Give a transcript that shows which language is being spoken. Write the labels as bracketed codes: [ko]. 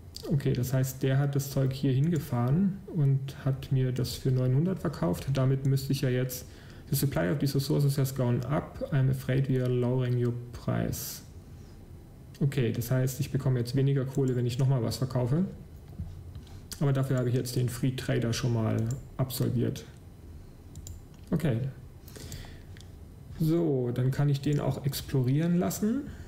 [de] Okay, das heißt, der hat das Zeug hier hingefahren und hat mir das für 900 verkauft. Damit müsste ich ja jetzt... [en] The supply of these resources has gone up. I'm afraid we are lowering your price. [de] Okay, das heißt, ich bekomme jetzt weniger Kohle, wenn ich nochmal was verkaufe. Aber dafür habe ich jetzt den Free Trader schon mal absolviert. Okay. So, dann kann ich den auch explorieren lassen.